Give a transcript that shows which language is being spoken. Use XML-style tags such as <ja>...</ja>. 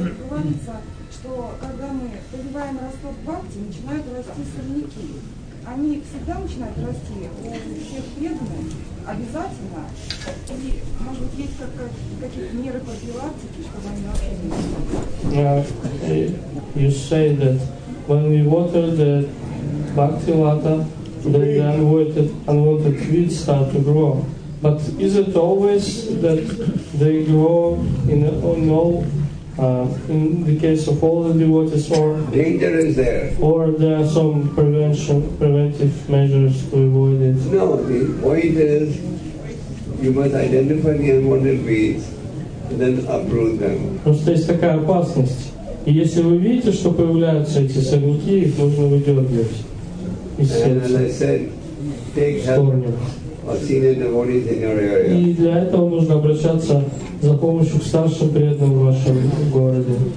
<ru>Говорится, что когда мы поливаем росток бхакти, начинают расти сорняки. Они всегда начинают расти у всех преданных, обязательно. И, может быть, есть какие-то меры профилактики, чтобы они вообще не</ru> <en>You say that when we water the bhakti lata, then the unwanted weeds start to grow. But is it always that they grow in the case of all the devotees, or danger is there? Or there are some preventive measures to avoid it? No, the point is you must identify the unwanted weeds and then uproot them.</en> <ru>Просто есть такая опасность. И если вы видите, что появляются эти сорняки, их нужно выдергивать. И для этого нужно обращаться за помощью к старшим преданным в вашем городе.</ru>